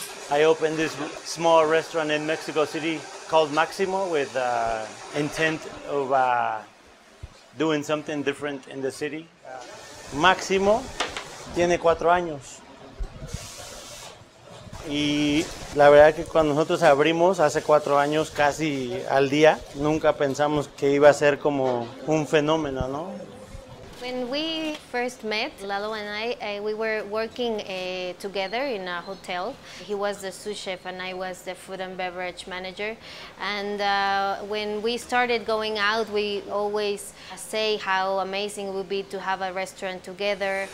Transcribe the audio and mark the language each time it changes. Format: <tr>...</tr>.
<en>I opened this small restaurant in Mexico City called Maximo with the intent of doing something different in the city.</en> <es>Maximo tiene 4 años. Y la verdad que cuando nosotros abrimos hace 4 años casi al día, nunca pensamos que iba a ser como un fenómeno, ¿no?</es> <en>When we first met, Lalo and I, we were working together in a hotel. He was the sous chef and I was the food and beverage manager. And when we started going out, we always say how amazing it would be to have a restaurant together.</en>